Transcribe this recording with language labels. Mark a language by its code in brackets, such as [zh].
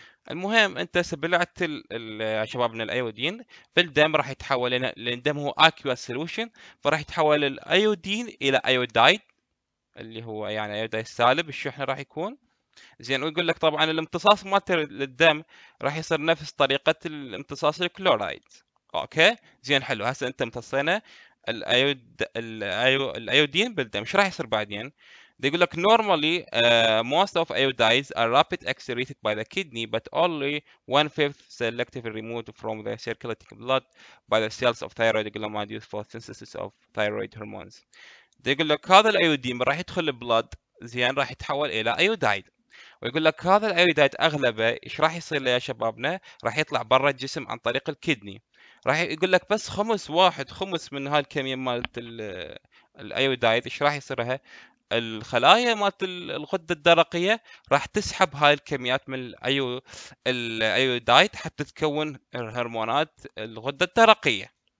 [ar] المهم انت سبلعت الشباب من الايودين في الدم راح يتحول، لان الدم هو اكيوس سولوشن، فراح يتحول الايودين الى ايودايد اللي هو يعني ايودايد سالب الشحنة راح يكون. زين، ويقول لك طبعا الامتصاص مالته للدم راح يصير نفس طريقه الامتصاص الكلورايد اوكي. زين حلو، هسه انت امتصينا الايودين بالدم، ايش راح يصير بعدين؟ يقول لك [en] normally most of iodides are rapid excreted by the kidney but only one fifth selectively removed from the circulating blood by the cells of thyroid gland used for synthesis of thyroid hormones. [ar] يقول لك هذا الايودين راح يدخل البلد، زين راح يتحول الى ايودايد، ويقول لك هذا الايودايد اغلبه ايش راح يصير له يا شبابنا؟ راح يطلع برا الجسم عن طريق الكدني. راح يقول لك بس خمس، واحد خمس من هاي الكميه مالت الايودايد ايش راح يصير لها؟ الخلايا مالت الغده الدرقيه راح تسحب هاي الكميات من الايودايد حتى تكون الهرمونات الغده الدرقيه.